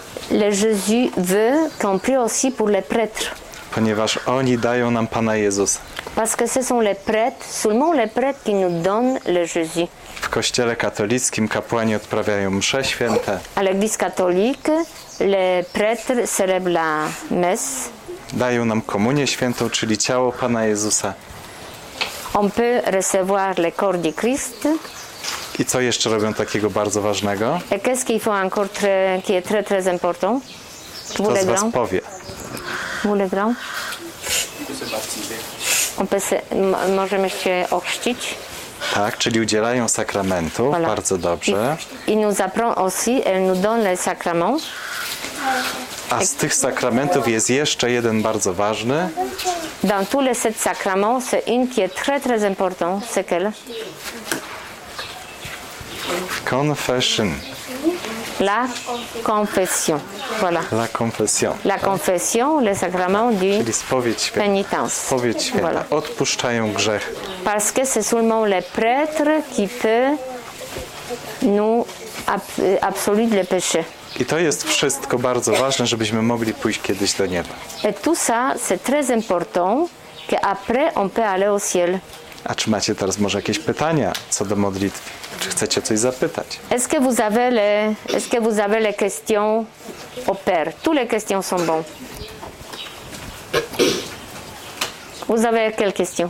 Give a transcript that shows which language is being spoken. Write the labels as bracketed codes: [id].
[fr] Le Jésus veut qu'on prie aussi pour les prêtres. [pl] Ponieważ oni dają nam Pana Jezusa. [fr] Parce que ce sont les prêtres, seulement les prêtres qui nous donnent le Jésus. [pl] W kościele katolickim kapłani odprawiają msze święte. [fr] À l'église catholique, les prêtres célèbrent la messe. [pl] Dają nam komunię świętą, czyli ciało Pana Jezusa. [fr] On peut recevoir le corps du Christ. [pl] I co jeszcze robią takiego bardzo ważnego? [fr] Et qu'est-ce qu'ils font encore très, qui est très très important? [pl] Kto z was powie? [fr] Voulez grand? On peut se, [pl] możemy się ochrzcić. Tak, czyli udzielają sakramentu, [fr] voilà. [pl] Bardzo dobrze. [fr] Il nous apprend aussi, elle nous donne les sacrements. [pl] A z tych sakramentów jest jeszcze jeden bardzo ważny. [fr] Dans tous les sept sacrements, c'est un qui est très très important, c'est quel? Confession. La confession. Voilà. La confession. La confession, le sacrement du pénitence. [pl] Spowiedź święta. Voilà. Odpuszczają grzech. [fr] Parce que c'est seulement le prêtre qui peut nous absoudre le péché. [pl] I to jest wszystko bardzo ważne, żebyśmy mogli pójść kiedyś do nieba. [fr] Et tout ça, c'est très important que après on peut aller au ciel. [pl] A czy macie teraz może jakieś pytania co do modlitwy? Czy chcecie coś zapytać? [fr] Est-ce que vous avez les questions au père? Toutes les questions sont bonnes. Vous avez quelle question?